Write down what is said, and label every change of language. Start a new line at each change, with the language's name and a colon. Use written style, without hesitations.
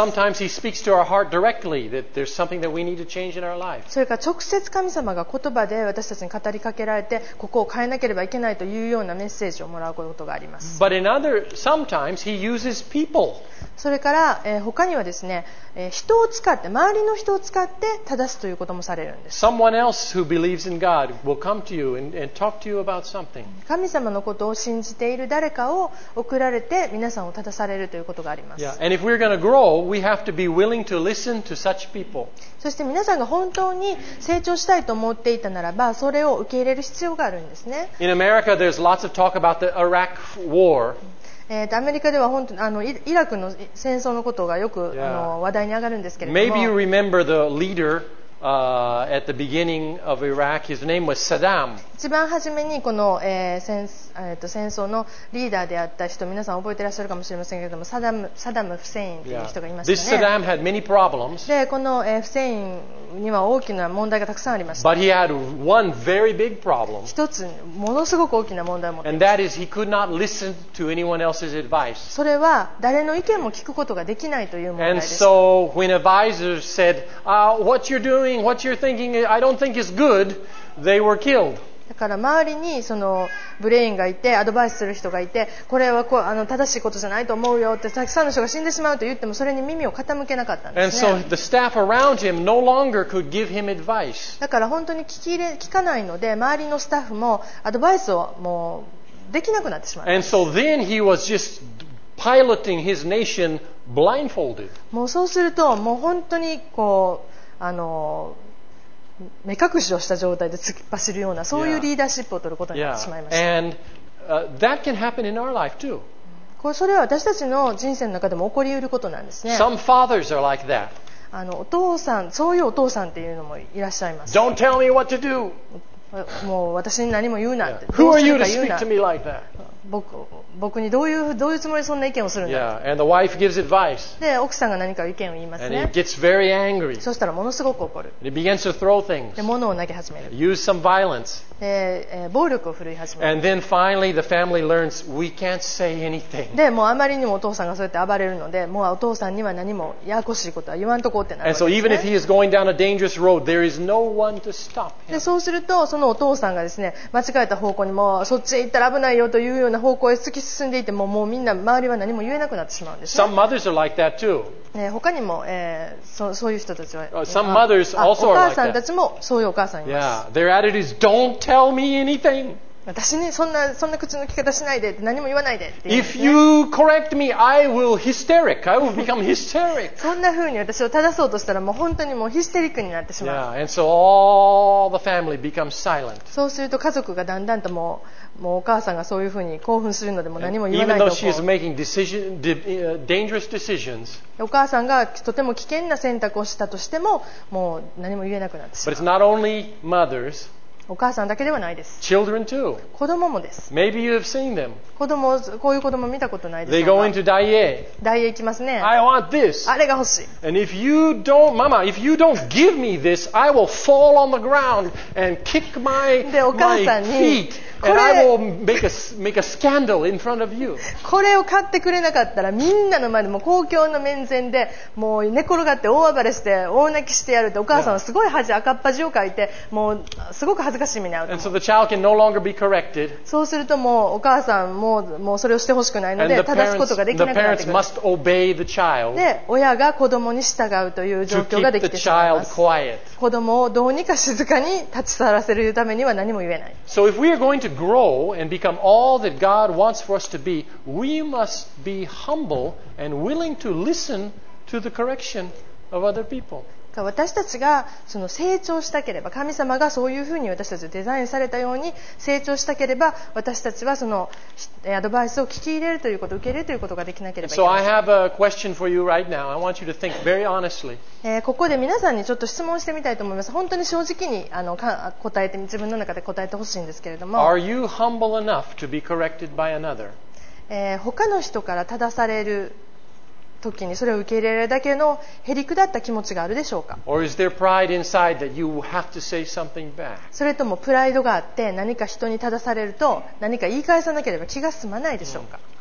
English: And sometimes He speaks to our heart directly that there's something that we need to change in our life.
Japanese: それから直接神様が言葉で私たちに語りかけられて、ここを変えなければいけないというようなメッセージをもらうことがあります。
English: But in other, sometimes He uses people.
Japanese: それから、他にはですね、人を使って周りの人を使って正すということもされるんです。
English: Someone else who believes in God will come to you and talk to you about something.
Japanese: 神様のことを信じている誰かを送られて皆さんを正されるということがあります。
English: Yeah. And if we're going to grow, we have to be willing to listen to such people.
Japanese: そして皆さんが本当に成長したいと思っていたならば、それを受け入れる必要があるんですね。
English: In America, there's lots of talk about the Iraq war.
Japanese: アメリカでは本当にイラクの戦争のことがよく、yeah. 話題に上がるんですけれども、
English: Maybe you remember the leader, at the beginning of Iraq. His name was Saddam.
Japanese: 一番初めにこの、戦争のリーダーであった人、皆さん覚えてらっしゃるかもしれませんけれども、サダム・フセインという人がいましたね。
English: This Saddam had many problems.
Japanese: でこの、フセインには大きな問題がたくさんありました。
English: But he had one very big problem.
Japanese: 一つものすごく大きな問題を持っています
English: 。 And that is he could not listen to anyone else's advice.
Japanese: それは誰の意見も聞くことができないという問題です。
English: And so when advisors said, what you're doing, what you're thinking, I don't think is good, they were killed.
Japanese: だから周りにそのブレインがいてアドバイスする人がいて、これはこう正しいことじゃないと思うよってたくさんの人が死んでしまうと言っても、それに耳を傾けなかったんですね。
English: And so the staff around him no longer could give him advice.
Japanese: だから本当に聞かないので、周りのスタッフもアドバイスをもうできなくなってしまいます。
English: And so then he was just piloting his nation blindfolded.
Japanese: もうそうするともう本当にこう目隠しをした状態で突っ走るような、そういうリーダーシップを取ることになってしまいました。
English: Yeah. And, that can happen in our life too.
Japanese: それは私たちの人生の中でも起こりうることなんですね。
English: Some fathers are like that.
Japanese: お父さん、そういうお父さんっていうのもいらっしゃいます。
English: Don't tell me what to do.
Japanese: もう私に何も言うなって。
English: Who are you to speak to me like that?
Japanese: 僕にどういうつもりでそんな意見をするんだ。
English: Yeah. And the wife gives advice.
Japanese: で奥さんが何か意見を言いますね。
English: And he gets very angry.
Japanese: そしたらものすごく怒る。
English: And he begins to throw things.
Japanese: で物を投げ始める。
English: Use some violence.
Japanese: で暴力を振るい始める。
English: And then finally the family learns we can't say anything.
Japanese: でもうあまりにもお父さんがそうやって暴れるので、もうお父さんには何もややこしいことは言わんとこうってなる。
English: And so even if he is going down a dangerous road, there is no one to stop him.
Japanese: でそうするとそのお父さんがですね、間違えた方向にもうそっちへ行ったら危ないよというような方向へ突き進んでいて、もうみんな周りは何も言えなくなってしまうんですね。
English: Some mothers are like that too.
Japanese: 他にも、そういう人たちは、
English: Some mothers also are like that.
Japanese: お母さんたちもそういうお母さんいます。
English: Yeah. Their attitude is, don't tell me anything.
Japanese: 私ね、そんな口の利き方しないでって何も言わないでって、ね、
English: If you correct me, I will hysteric. I will become hysteric.
Japanese: そんな風に私を正そうとしたらもう本当にもうヒステリックになってしまう。
English: Yeah, and so all the family becomes silent.
Japanese: そうすると家族がだんだんともうお母さんがそういう風に興奮するのでも何も言わないと。
English: Even though she is making decision, dangerous decisions.
Japanese: お母さんがとても危険な選択をしたとしてももう何も言えなくなってしまう。
English: But it's not only mothers.
Japanese: お母さんだけではないです。
English: Children too.
Japanese: 子供もです。
English: Maybe you have seen them.
Japanese: 子供、こういう子供見たことないです
English: か。They go into ダイエ
Japanese: ー。 ダイエー行きますね。
English: I want this.
Japanese: あれが欲しい。
English: And if you don't, Mama, if you don't give me this, I will fall on the ground and kick my feet. And I will make a scandal in front of you.
Japanese: これを買ってくれなかったら、みんなの前でも公共の面前でもう寝転がって大暴れして大泣きしてやるって、お母さんはすごい恥、赤っ恥をかいて、もうすごく恥ずかしい目に遭う。
English: And so the child can no longer be corrected.
Japanese: そうするともうお母さんもうそれをしてほしくないので正すことができなくなってくる。
English: And the parents must obey the child.
Japanese: で親が子供に従うという状況ができてしまいます。
English: To keep the child quiet.
Japanese: 子供をどうにか静かに立ち去らせるためには何も言えない。
English: So if we are going to grow and become all that God wants for us to be, we must be humble and willing to listen to the correction of other people.
Japanese: 私たちがその成長したければ、神様がそういうふうに私たちをデザインされたように成長したければ、私たちはそのアドバイスを聞き入れるということ、受け入れるということができなければいけません。
English: So I have a question for you right now. I want you to think very honestly.
Japanese: ここで皆さんにちょっと質問してみたいと思います。本当に正直に答えて、自分の中で答えてほしいんですけれども、
English: Are you humble enough to be corrected by another?
Japanese: 他の人から正される時にそれを受け入れられるだけのへりくだった気持ちがあるでしょうか。それともプライドがあって、何か人に正されると何か言い返さなければ気が済まないでしょうか。